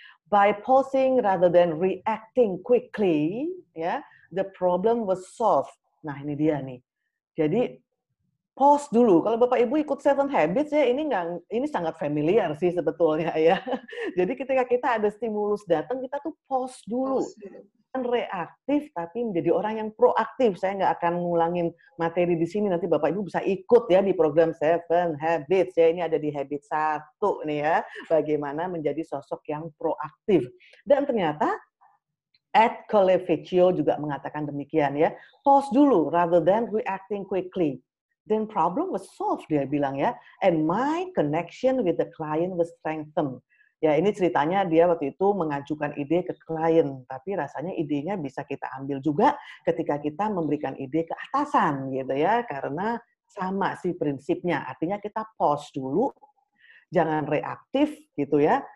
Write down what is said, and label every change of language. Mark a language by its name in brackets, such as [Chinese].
[English] By pausing rather than reacting quickly, ya, the problem was solved. [Indonesian] Nah ini dia nih. Jadi, pause dulu. Kalau Bapak Ibu ikut 7 Habits ya, ini sangat familiar sih sebetulnya ya. Jadi ketika kita ada stimulus datang, kita tuh pause dulu. Bukan reaktif, tapi menjadi orang yang proaktif. Saya nggak akan ngulangin materi di sini, nanti Bapak Ibu bisa ikut ya di program 7 Habits ya. Ini ada di Habit 1 nih ya, bagaimana menjadi sosok yang proaktif. Dan ternyata Ed Colevecchio juga mengatakan demikian ya. Pause dulu [English] rather than reacting quickly. Then problem was solved, [Indonesian] dia bilang ya. [English] And my connection with the client was strengthened. [Indonesian] Ya, ini ceritanya dia waktu itu mengajukan ide ke klien. Tapi rasanya idenya bisa kita ambil juga ketika kita memberikan ide ke atasan gitu ya. Karena sama sih prinsipnya. Artinya kita pause dulu, jangan reaktif gitu ya.